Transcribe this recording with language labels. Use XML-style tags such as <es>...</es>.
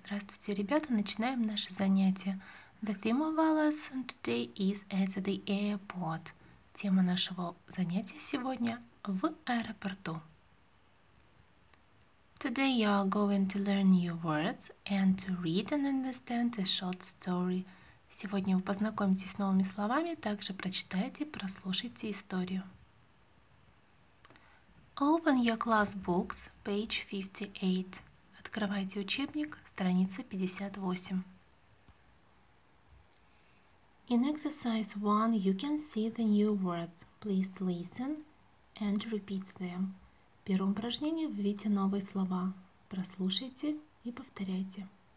<ru>Здравствуйте, ребята, начинаем наше занятие.</ru> <en>The theme of our lesson today is at the airport.</en> <ru>Тема нашего занятия сегодня в аэропорту.</ru> <en>Today you are going to learn new words and to read and understand a short story.</en> <ru>Сегодня вы познакомитесь с новыми словами, также прочитаете и прослушайте историю.</ru> <en>Open your class books, page 58.</en> <ru>Открывайте учебник, страница 58.</ru> <en>In exercise 1, you can see the new words. Please listen and repeat them.</en> <ru>В первом упражнении вы видите новые слова. Прослушайте и повторяйте.</ru>